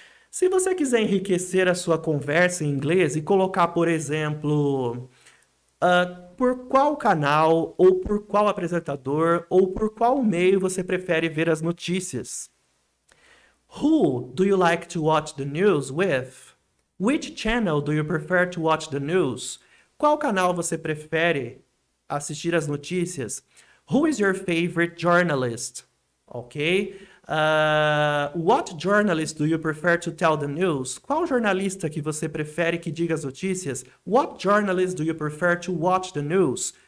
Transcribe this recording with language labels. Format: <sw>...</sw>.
<pt>Se você quiser enriquecer a sua conversa em inglês e colocar, por exemplo, por qual canal, ou por qual apresentador, ou por qual meio você prefere ver as notícias.</pt> <en>Who do you like to watch the news with? Which channel do you prefer to watch the news?</en> <pt>Qual canal você prefere assistir as notícias?</pt> <en>Who is your favorite journalist? Ok? What journalist do you prefer to tell the news?</en> <pt>Qual jornalista que você prefere que diga as notícias?</pt> <en>What journalist do you prefer to watch the news?</en>